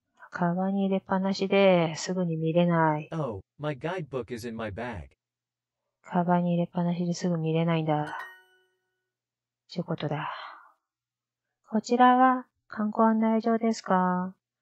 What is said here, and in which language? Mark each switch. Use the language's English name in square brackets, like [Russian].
[Japanese] カバンに入れっぱなしですぐに見れない。 [English] Oh, my guidebook is in my bag. [Japanese] カバンに入れっぱなしですぐ見れないんだ。仕事だ。こちらは観光案内所ですか？